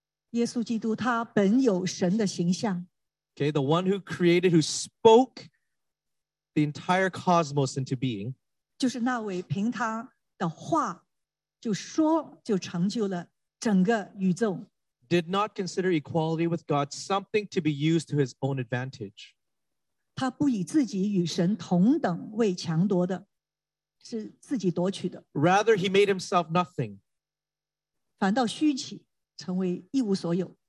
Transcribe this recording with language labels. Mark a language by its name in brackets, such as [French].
[Chinese] 耶稣基督他本有神的形象。 [English] Okay, the one who created, who spoke the entire cosmos into being. [Chinese] 就是那位凭他的话就说就成就了整个宇宙。 [English] Did not consider equality with God something to be used to his own advantage. [Chinese] 他不以自己与神同等为强夺的，是自己夺取的。 [English] Rather, he made himself nothing. [Chinese] 反倒虚起，成为一无所有。